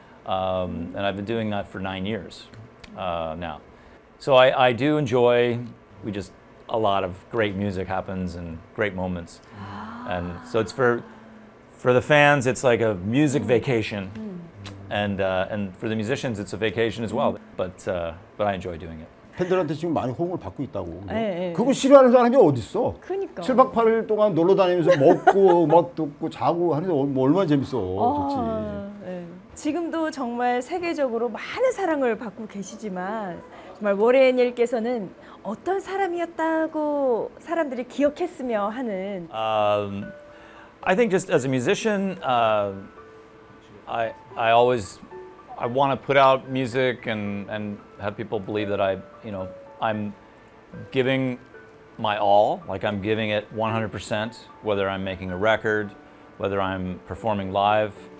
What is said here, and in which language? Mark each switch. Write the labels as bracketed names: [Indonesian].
[English] And I've been doing that for 9 years now. So I do enjoy, a lot of great music happens and great moments. And so it's for the fans, it's like a music vacation. And for the musicians, it's a vacation as well. But I enjoy doing it. [Korean] 팬들한테 지금 많이 호응을 받고 있다고. 네, 그거 네. 싫어하는 사람이 어디 있어? 그러니까. 7박 8일 동안 놀러 다니면서 먹고 막 듣고 자고 하는데 뭐 얼마나 재밌어. 좋지. 네. 지금도 정말 세계적으로 많은 사랑을 받고 계시지만 정말 워렌힐께서는 어떤 사람이었다고 사람들이 기억했으며 하는 [English] I think just as a musician I want to put out music and have people believe that I'm giving my all, like I'm giving it 100%, whether I'm making a record, whether I'm performing live.